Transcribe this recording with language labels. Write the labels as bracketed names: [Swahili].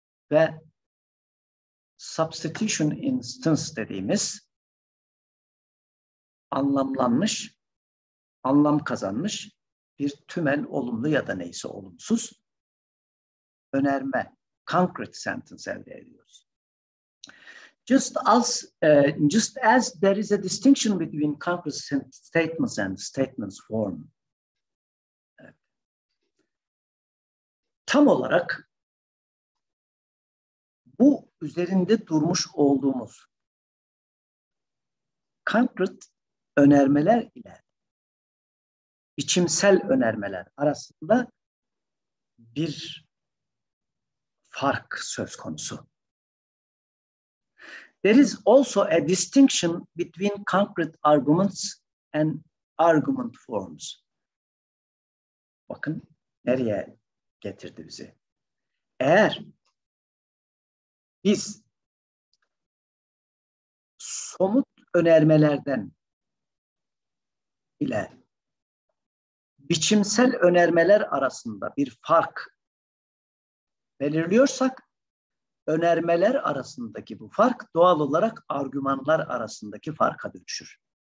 [Turkish] Ve substitution instance dediğimiz anlamlanmış, anlam kazanmış bir tümel olumlu ya da neyse olumsuz önerme, concrete sentence elde ediyoruz. [English] Just as there is a distinction between concrete statements and statements form. [Turkish] Tam olarak bu üzerinde durmuş olduğumuz concrete önermeler ile biçimsel önermeler arasında bir fark söz konusu. [English] There is also a distinction between concrete arguments and argument forms. [Turkish] Bakın nereye getirdi bizi. Eğer biz somut önermelerden ile biçimsel önermeler arasında bir fark belirliyorsak, önermeler arasındaki bu fark doğal olarak argümanlar arasındaki farka dönüşür.